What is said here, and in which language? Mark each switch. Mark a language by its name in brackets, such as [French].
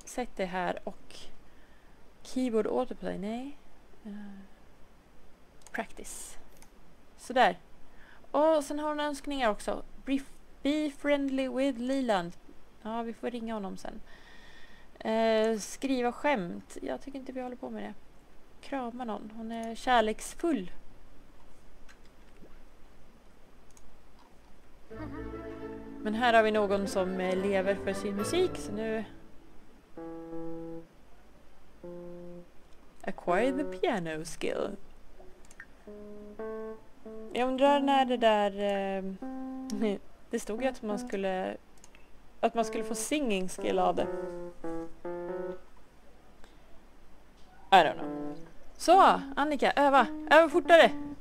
[Swedish] Sätt det här och keyboard autoplay. Nej. Practice. Så där. Och sen har hon önskningar också. [English] Be friendly with Leland. [Swedish] Ja, vi får ringa honom sen. Skriva skämt. Jag tycker inte vi håller på med det. Krama någon. Hon är kärleksfull. Men här har vi någon som lever för sin musik. Så nu... [English] Acquire the piano skill. [Swedish] Jag undrar när det där... det stod ju att man skulle få singing skill av det. [English] I don't know. [Swedish] Så, Annika, öva. Öva fortare.